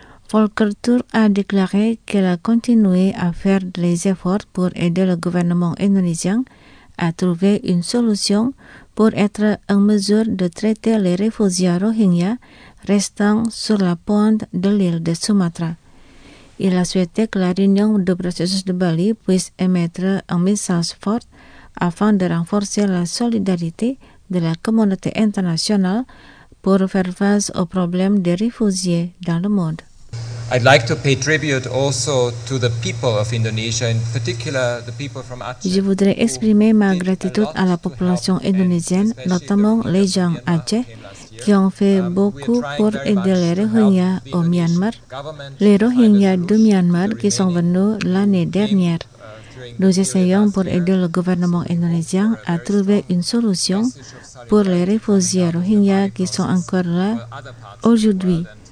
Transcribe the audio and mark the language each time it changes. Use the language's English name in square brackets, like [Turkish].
[French] Volker Turk a déclaré qu'elle a continué à faire des efforts pour aider le gouvernement indonésien à trouver une solution pour être en mesure de traiter les réfugiés Rohingyas restant sur la pointe de l'île de Sumatra. Il a souhaité que la réunion du processus de Bali puisse émettre un message fort afin de renforcer la solidarité de la communauté internationale pour faire face aux problèmes des réfugiés dans le monde. [English] I'd like to pay tribute also to the people of Indonesia, in particular the people from Aceh. [French] Je voudrais exprimer ma gratitude à la population indonésienne, notamment les gens Aceh, qui ont fait beaucoup pour aider les Rohingyas au Myanmar, les Rohingyas du Myanmar qui sont venus l'année dernière. Nous essayons pour aider le gouvernement indonésien à trouver une solution pour les réfugiés Rohingyas qui sont encore là aujourd'hui.